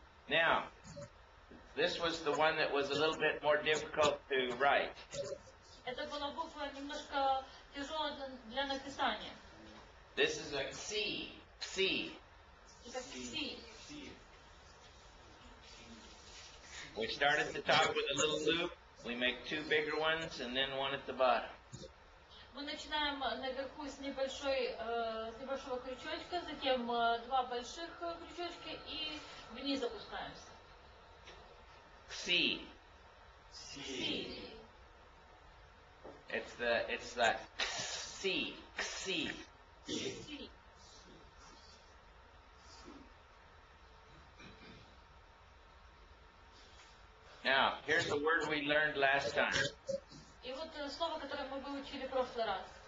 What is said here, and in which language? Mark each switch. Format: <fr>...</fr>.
<en>Now, this was the one that was a little bit more difficult to write.</en> <ru>Это была буква немножко тяжелая для написания.</ru> <en>This is a C. C. C. We start at the top with a little loop, we make two bigger ones, and then one at the bottom.</en> <ru>Мы начинаем наверху с небольшой, с небольшого крючочка, затем два больших крючочка и вниз опускаемся.</ru> <en>C. C. It's the C. C. Now, here's the word we learned last time.</en> <ru>И вот слово, которое мы выучили в прошлый раз.</ru>